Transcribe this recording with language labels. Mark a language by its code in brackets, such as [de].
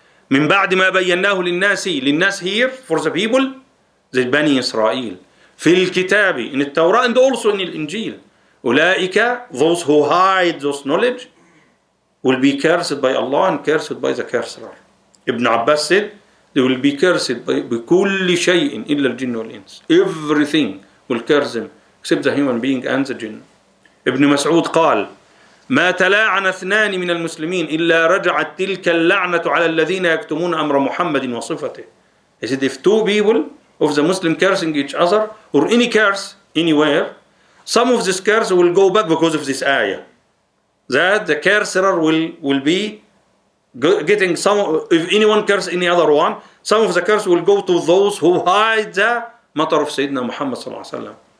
[ar] من بعد ما بيناه للناس للناس [en] here for the people the [ar] بني إسرائيل في الكتاب [en] in the Torah and also in the [ar] إنجيل أولئك [en] those who hide those knowledge will be cursed by Allah and cursed by the cursor. Ibn Abbas said they will be cursed by [ar] بكل شيء إلا الجن والإنس. [en] Everything will curse them except the human being and the jinn. [ar] Ibn Mas'ud قال ما تلاعن اثنان من المسلمين إلا رجعت تلك اللعنة على الذين يكتمون أمر محمد وصفته. [en] He said if two people of the Muslim cursing each other or any curse anywhere, some of this curse will go back because of this ayah. That the curser will be getting some, if anyone curse any other one, some of the curse will go to those who hide the matter of Sayyidina Muhammad صلى الله عليه وسلم.